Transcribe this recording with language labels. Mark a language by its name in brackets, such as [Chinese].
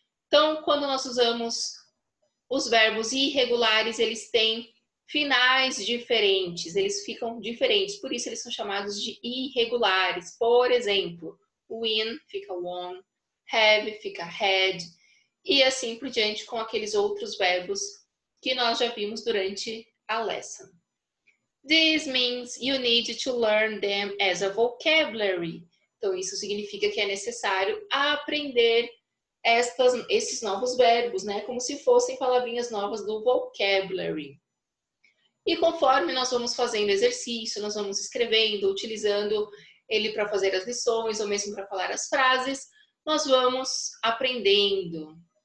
[Portuguese] Então, quando nós usamos os verbos irregulares, eles têm finais diferentes, eles ficam diferentes, por isso eles são chamados de irregulares. Por exemplo, win fica won, have fica had, e assim por diante com aqueles outros verbos que nós já vimos durante a lesson. [English] This means you need to learn them as a vocabulary. [Portuguese] Então, isso significa que é necessário aprender esses novos verbos, né? Como se fossem palavrinhas novas do vocabulary. E conforme nós vamos fazendo exercício, nós vamos escrevendo, utilizando ele para fazer as lições ou mesmo para falar as frases, nós vamos aprendendo.